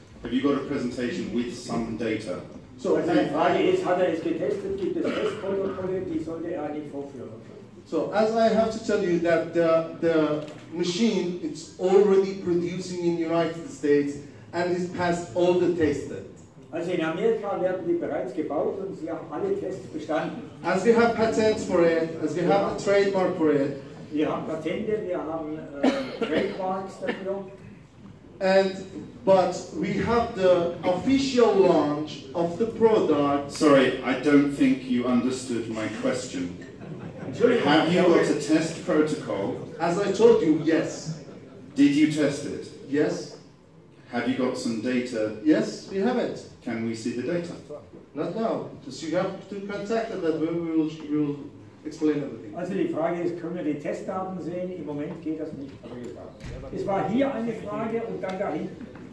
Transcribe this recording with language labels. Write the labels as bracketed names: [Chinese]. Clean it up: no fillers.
[English] Have you got a presentation with some data? So the question is, has he tested? [German] Gibt es Testprotokolle, die sollte er nicht vorführen? [English] So as I have to tell you that the machine, it's already producing in the United States and it's passed all the tests. [German] Also in Amerika werden die bereits gebaut und sie haben alle Tests bestanden. [English] As we have patents for it, as we have a trademark for it. [German] Wir haben Patente, wir haben Trademarks dafür. [English] But we have the official launch of the product. Sorry, I don't think you understood my question. Have you got a test protocol? As I told you, yes. Did you test it? Yes. Have you got some data? Yes, we have it. Can we see the data? Not now. Just you have to contact us, that we will explain everything. [German] Also die Frage ist, können wir die Testdaten sehen? Im Moment geht das nicht. Aber wie gesagt, es war hier eine Frage und dann da hinten.